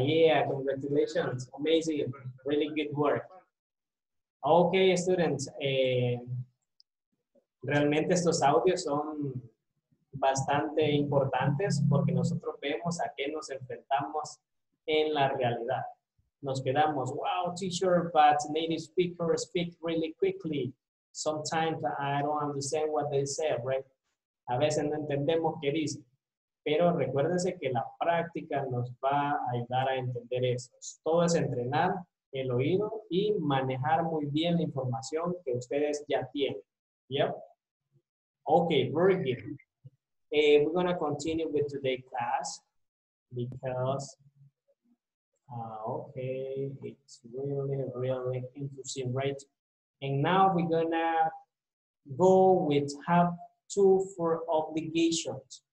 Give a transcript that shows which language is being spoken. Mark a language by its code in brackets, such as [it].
[en] Yeah, congratulations. Amazing. Really good work. Okay, students. [es] Realmente estos audios son bastante importantes porque nosotros vemos a qué nos enfrentamos en la realidad. Nos quedamos, [en] wow, teacher, but native speakers speak really quickly. Sometimes I don't understand what they say, right? [es] A veces no entendemos qué dicen. Pero recuérdense que la práctica nos va a ayudar a entender eso. Todo es entrenar el oído y manejar muy bien la información que ustedes ya tienen. [en] Yep. Okay, very good. We're going to continue with today's class because, it's really, really interesting, right? And now we're going to go with have to for obligations.